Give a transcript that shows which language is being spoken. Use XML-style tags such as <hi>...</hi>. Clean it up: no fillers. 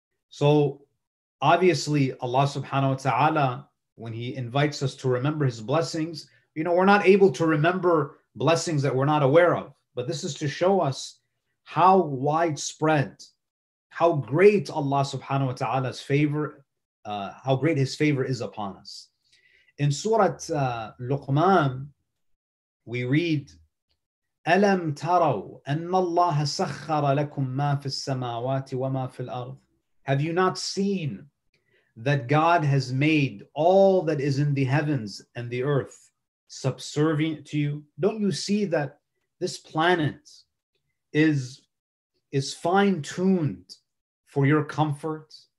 <en>So obviously Allah subhanahu wa ta'ala, when He invites us to remember His blessings, you know, we're not able to remember blessings that we're not aware of. But this is to show us how widespread, how great Allah subhanahu wa ta'ala's favor, how great His favor is upon us. In Surah Luqman, we read,</en> <ar>أَلَمْ تَرَوْا أَنَّ اللَّهَ سَخَّرَ لَكُمْ مَا فِي السَّمَاوَاتِ وَمَا فِي الْأَرْضِ.</ar> <en>Have you not seen that God has made all that is in the heavens and the earth subservient to you? Don't you see that this planet is fine-tuned for your comfort?</en>